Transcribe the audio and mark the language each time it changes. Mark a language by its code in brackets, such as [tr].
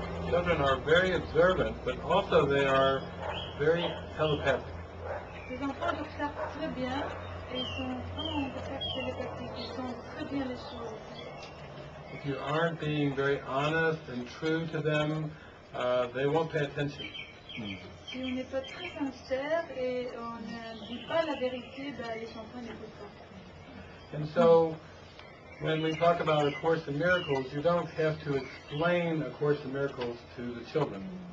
[en] Children are very observant, but also they are very telepathic. [fr] Les enfants observent très bien et sont vraiment télépathiques. Ils sont très bien les choses. [en] If you aren't being very honest and true to them, they won't pay attention. [fr] Si on n'est pas très sincère et on ne dit pas la vérité, ben les enfants n'écoutent pas. [en] And so, when we talk about A Course in Miracles, you don't have to explain A Course in Miracles to the children.